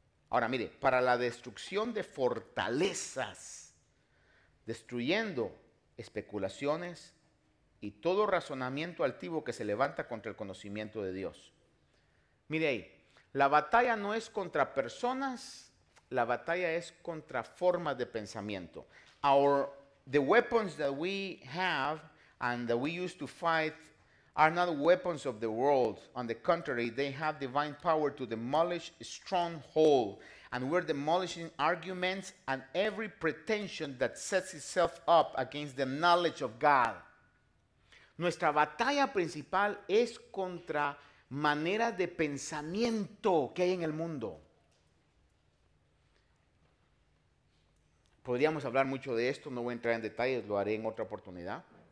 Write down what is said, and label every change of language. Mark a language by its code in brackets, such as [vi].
[es] Ahora mire, para la destrucción de fortalezas, destruyendo especulaciones y todo razonamiento altivo que se levanta contra el conocimiento de Dios. Mire ahí, la batalla no es contra personas, la batalla es contra formas de pensamiento. [en] The weapons that we have and that we use to fight are not weapons of the world. On the contrary, they have divine power to demolish stronghold. And we're demolishing arguments and every pretension that sets itself up against the knowledge of God. [es] Nuestra batalla principal es contra maneras de pensamiento que hay en el mundo. Podríamos hablar mucho de esto, no voy a entrar en detalles, lo haré en otra oportunidad.